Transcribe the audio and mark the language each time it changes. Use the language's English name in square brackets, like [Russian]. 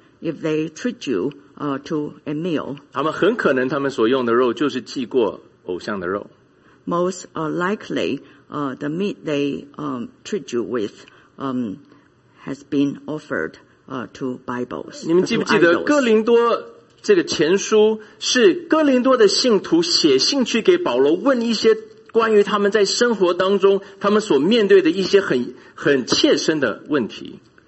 [English] If they treat you to a meal, [Chinese] 他们很可能他们所用的肉就是祭过偶像的肉。 [English] Most likely, the meat they treat you with has been offered to Bibles. [Chinese] 你们记不记得哥林多这个前书是哥林多的信徒写信去给保罗，问一些关于他们在生活当中他们所面对的一些很切身的问题。